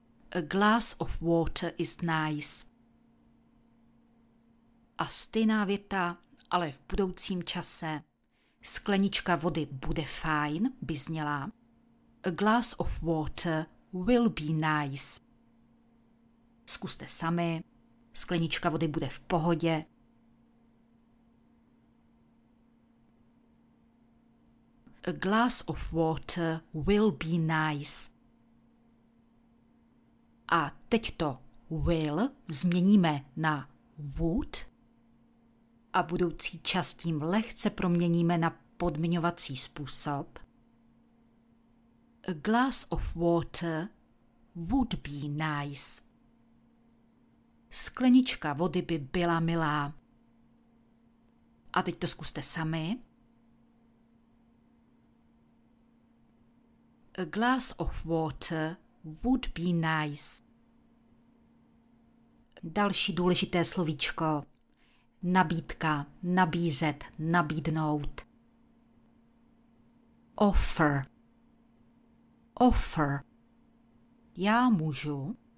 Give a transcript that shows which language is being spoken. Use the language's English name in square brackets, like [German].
[English] A glass of water is nice. [Czech] A stejná věta, ale v budoucím čase. Sklenička vody bude fajn, by zněla. [English] A glass of water will be nice. [Czech] Zkuste sami. Sklenička vody bude v pohodě. [English] A a glass of water will be nice. [Czech] A teď to will změníme na would a budoucí čas tím lehce proměníme na podmiňovací způsob. [English] A glass of water would be nice. [Czech] Sklenička vody by byla milá. A teď to zkuste sami. [English] A glass of water would be nice. [Czech] Další důležité slovíčko. Nabídka, nabízet, nabídnout. [English] Offer. Offer. [Czech] Já můžu.